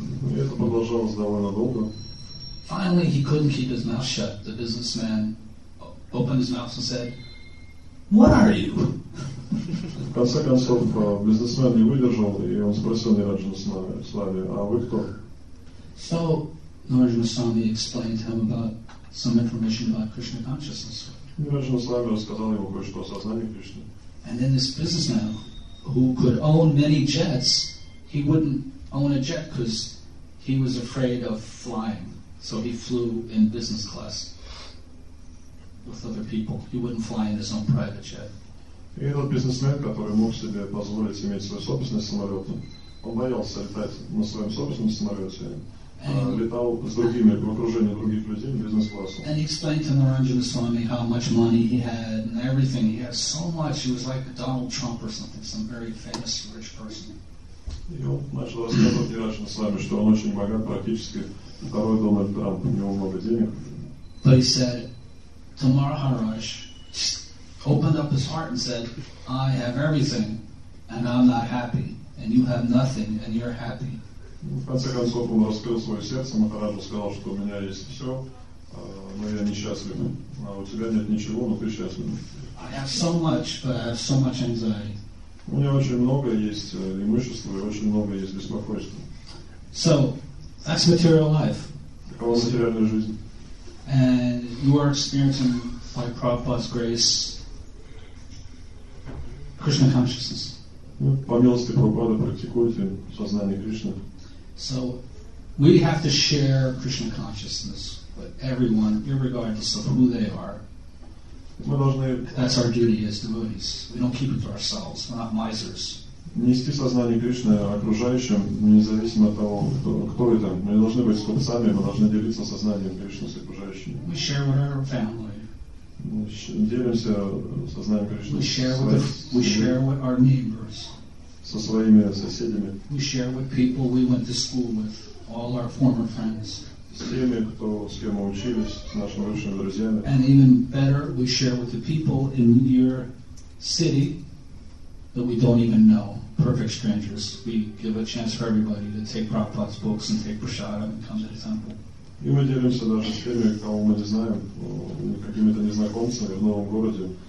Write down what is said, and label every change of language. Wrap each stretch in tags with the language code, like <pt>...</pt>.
<ru>И это продолжалось довольно долго.</ru> <en>Finally, he couldn't keep his mouth shut. The businessman opened his mouth and said, "What are you?"</en> <ru>В конце концов, бизнесмен не выдержал, и он спросил Ниранджана Свами, а вы кто?</ru> <en>So, Ниранджана Свами explained to him about some information about Krishna consciousness.</en> <ru>Ниранджана Свами рассказал ему кое-что о сознании Кришны.</ru> <en>And then this businessman, who could own many jets, he wouldn't own a jet because he was afraid of flying. So he flew in business class with other people. He wouldn't fly in his own private jet.</en> <ru>И этот бизнесмен, который мог себе позволить иметь свой собственный самолет, он боялся летать на своем собственном самолете, летал с другими, в окружении других людей, бизнес-классом.</ru> <en>And he explained to Naranjana Swami how much money he had and everything. He had so much, he was like Donald Trump or something, some very famous rich person.</en> <ru>И он начал рассказывать Наранджана Свами, что он очень богат, практически второй Дональд Трамп, у него много денег.</ru> <en>But he said, Tamar Haraj opened up his heart and said, I have everything, and I'm not happy, and you have nothing, and you're happy.</en> <ru>Ну, в конце концов, он раскрыл свое сердце, Махараджа сказал, что у меня есть все, но я несчастлив. А у тебя нет ничего, но ты счастлив.</ru> <en>I have so much, but I have so much anxiety.</en> <ru>У меня очень много есть имущества и очень много есть беспокойства.</ru> <en>So, that's material life.</en> <ru>Такова материальная жизнь.</ru> <en>And you are experiencing, by Prabhupada's grace, Krishna consciousness.</en> <ru>По милости Прабхупады практикуйте сознание Кришны.</ru> <en>So, we have to share Krishna consciousness with everyone, irregardless of who they are.</en> <ru>Мы должны.</ru> <en>That's our duty as devotees. We don't keep it to ourselves. We're not misers.</en> <ru>Нести сознание Кришны окружающим, независимо от того, кто это. Мы должны быть скупцами, мы должны делиться сознанием Кришны с окружающими.</ru> <en>We share with our family.</en> <ru>Делимся сознанием Кришны.</ru> <en>We share with our neighbors.</en> <ru>Со своими соседями.</ru> <en>We share with people we went to school with, all our former friends.</en> <ru>С теми, кто, с кем мы учились, с нашими лучшими друзьями.</ru> <en>And even better, we share with the people in your city that we don't even know, perfect strangers. We give a chance for everybody to take Prabhupada's books and take prasadam and come to the temple.</en> <ru>И мы делимся даже с теми, кого мы не знаем, какими-то незнакомцами в новом городе.</ru>